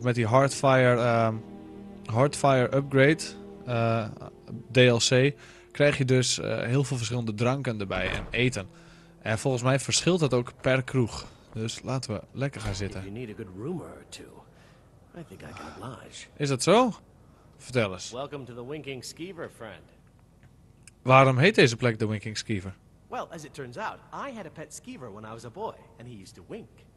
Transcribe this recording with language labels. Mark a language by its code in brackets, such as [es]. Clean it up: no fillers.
[nl] Met die Hardfire upgrade. DLC. Krijg je dus heel veel verschillende dranken erbij. En eten. En volgens mij verschilt dat ook per kroeg. Dus laten we lekker gaan zitten. [en] I think I can oblige. [nl] Is dat zo? Vertel eens. [en] Welcome to the Winking Skeever, friend. [nl] Waarom heet deze plek de Winking Skeever? [en] Well, as it turns out, I had a pet skeever when I was a boy, and he used to wink.